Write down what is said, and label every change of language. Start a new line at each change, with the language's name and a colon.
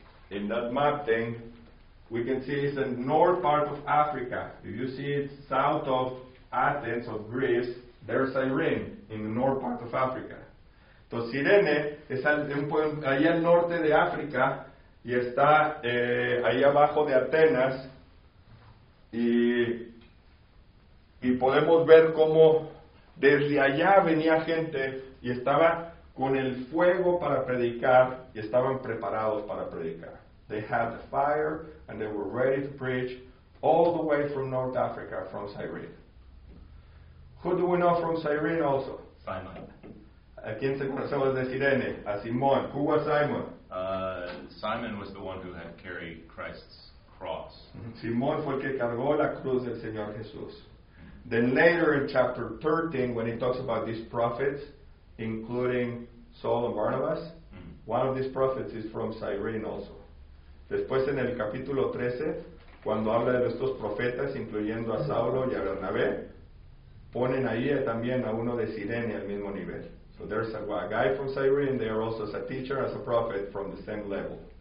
English: In that map thing, we can see it's the north part of Africa. If you see it south of Athens, of Greece, there's Cyrene in the north part of Africa.
Spanish: Entonces, Cirene es ahí al norte de África y está ahí abajo de Atenas. Y podemos ver cómo desde allá venía gente y estaba con el fuego para predicar y estaban preparados para predicar.
English: They had the fire and they were ready to preach all the way from North Africa, from Cyrene. Who do we know from Cyrene also? Simon.
Spanish: ¿A quién se conocemos de Cirene? A Simón.
English: ¿Who was Simon? Simon was the one who had carried Christ's cross.
Spanish: Simón fue el que cargó la cruz del Señor Jesús.
English: Then later in chapter 13, when he talks about these prophets, including Saul and Barnabas, one of these prophets is from Cyrene also.
Spanish: Después en el capítulo 13, cuando habla de estos profetas, incluyendo a Saulo y a Bernabé, ponen ahí también a uno de Cirene al mismo nivel.
English: So there's a guy from Cyrene, there also is a teacher, as a prophet, from the same level.